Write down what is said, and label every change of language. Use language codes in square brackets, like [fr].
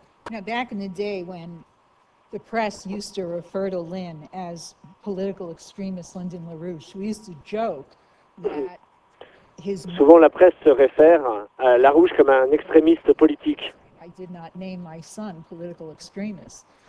[en] Now, back in the day when the press used to refer to Lynn as political extremist Lyndon LaRouche, we used to joke that his... [fr] Souvent, la presse se réfère à LaRouche comme un extrémiste politique. [en] I did not name my son political extremist.